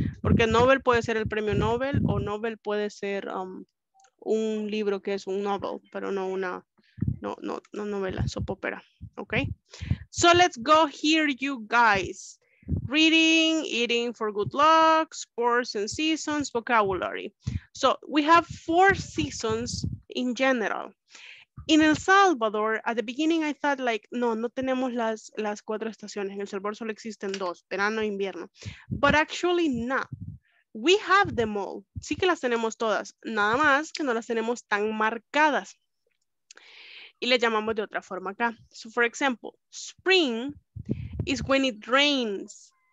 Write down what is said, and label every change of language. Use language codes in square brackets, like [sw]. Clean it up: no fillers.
[es] Porque novel puede ser el premio Nobel o novel puede ser un libro que es un novel, pero no una, no novela, [en] soap opera. Ok. So let's go here, you guys. Reading, eating for good luck, sports and seasons, vocabulary. So we have 4 seasons in general. In El Salvador, at the beginning I thought like, [es] no tenemos las 4 estaciones. En El Salvador solo existen 2, verano e invierno. [en] But actually not. We have them all. [es] Sí que las tenemos todas, nada más que no las tenemos tan marcadas. Y le llamamos de otra forma acá. [en] So for example, spring is when it rains.